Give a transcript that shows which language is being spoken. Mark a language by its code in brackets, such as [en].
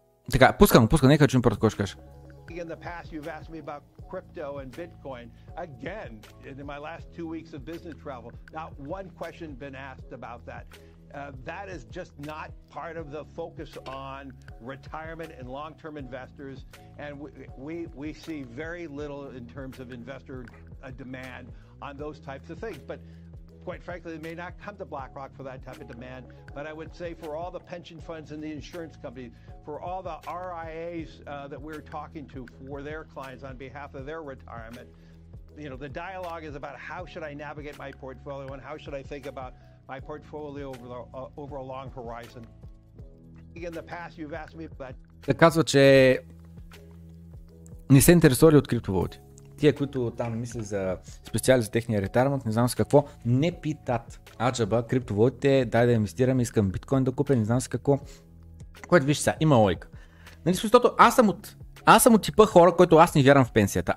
[bg] Така, пускам, нека чуем просто, какво ще кажа. [en] In the past you've asked me about crypto and Bitcoin again in my last 2 weeks of business travel. Not one question been asked about that. That is just not part of the focus on retirement and long-term investors, and we see very little in terms of investor demand on those types of things. But quite frankly, they may not come to BlackRock for that type of demand, but I would say for all the pension funds and the insurance companies, for all the RIAs that we're talking to for their clients on behalf of their retirement, you know, the dialogue is about how should I navigate my portfolio and how should I think about my portfolio over the, over a long horizon. In the past, you've asked me about... [bg] Да казва, че не се интересували от криптовалути. Тия, които там мисли за специали за техния ретармент, не знам с какво, не питат. Аджаба, криптовалутите, дай да инвестираме, искам биткоин да купя, не знам с какво. Което виж сега, има логика. Нали, защото аз съм от типа хора, който аз не вярвам в пенсията.